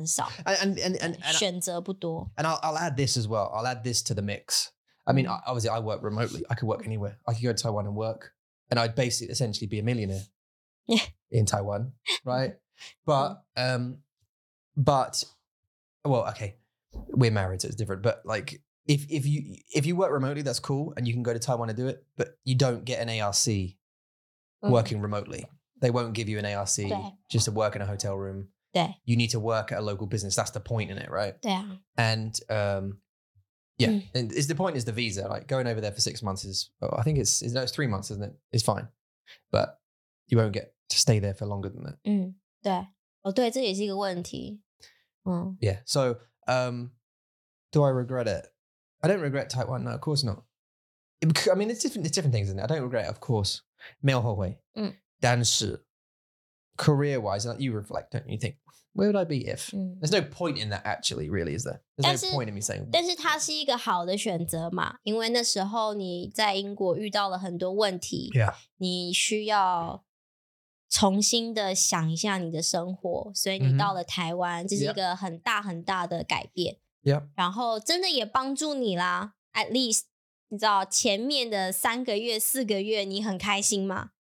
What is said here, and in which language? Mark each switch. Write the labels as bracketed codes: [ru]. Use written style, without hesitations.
[zh] 对，就像你在英国找工作的机会就比较多，但是在台湾真的很少，选择不多。 [en] And I'll add this as well. I'll add this to the mix. I mean, obviously, I work remotely. I could work anywhere. I could go to Taiwan and work, and I'd basically essentially be a millionaire in Taiwan, right? But, okay, we're married, so it's different. But like, If you work remotely, that's cool, and you can go to Taiwan and do it, but you don't get an ARC working remotely. They won't give you an ARC just to work in a hotel room. You need to work at a local business. That's the point in it, right? And the point is the visa. Like going over there for 6 months is 3 months, isn't it? It's fine. But you won't get to stay there for longer than that. [zh] 对，这也是一个问题。 [en] Yeah, so do I regret it? I don't regret Taiwan, no, of course not. I mean, it's different things, isn't it? I don't regret it, of course. [zh] 没有后悔. Mm. 但是, [en] career-wise, you reflect, don't you? You think, where would I be if? Mm. There's no point in that, actually, really, is there? There's [zh] 但是, [en] no point in me saying that. [zh] 但是它是一个好的选择嘛, 因为那时候你在英国遇到了很多问题, [en] yeah. [zh] 你需要重新的想一下你的生活, 所以你到了台湾, mm-hmm. 这是一个很大很大的改变。 [en] Yeah. [zh] 然后真的也帮助你啦, [en] at least, [zh] 你知道前面的三个月、四个月你很开心吗?